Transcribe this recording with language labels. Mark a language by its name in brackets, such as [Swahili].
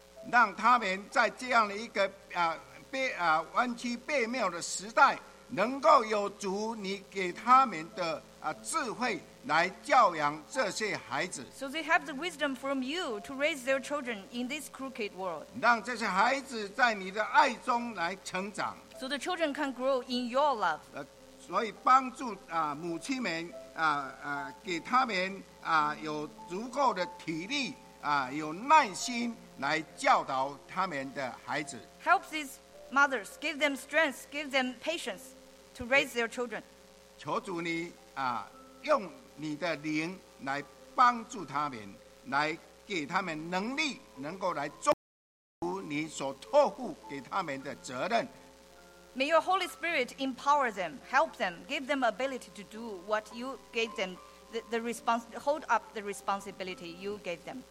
[Chinese] 让他们在这样的一个弯曲背谬的时代，能够有主你给他们的智慧来教养这些孩子。 [English] So they have the wisdom from you to raise their children in this crooked world. [Chinese] 让这些孩子在你的爱中来成长。 [English] So the children can grow in your love. [Chinese] 所以帮助母亲们给他们有足够的体力有耐心来教导他们的孩子。 [English] Help these mothers, give them strength, give them patience to raise their children. [Chinese] 求主你用你的灵来帮助他们，来给他们能力，能够来做你所托付给他们的责任。 [English] May your Holy Spirit empower them, help them, give them ability to do what you gave them, hold up the responsibility you gave them.